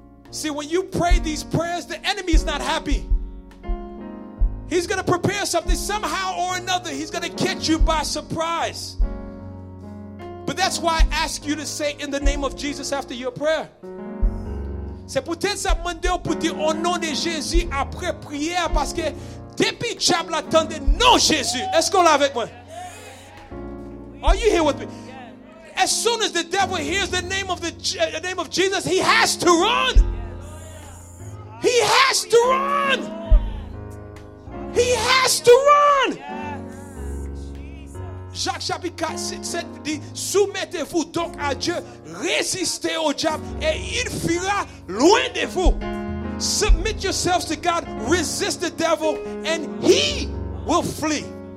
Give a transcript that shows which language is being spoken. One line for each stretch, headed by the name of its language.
English: See, when you pray these prayers, the enemy is not happy. He's going to prepare something somehow or another. He's going to catch you by surprise. But that's why I ask you to say in the name of Jesus after your prayer.
French: C'est peut-être ça mandé pour dire au nom de Jésus après prière parce que depuis diable attendait non Jésus. Est-ce qu'on l'a avec moi?
English: Are you here with me? As soon as the devil hears the name of the name of Jesus, he has to run. He has to run. He has to run.
French: Jacques chapitre 4, 7, 7 dit, soumettez-vous donc à Dieu, résistez au diable et il fuira loin de vous.
English: Submit yourselves to God, resist the devil and he will flee.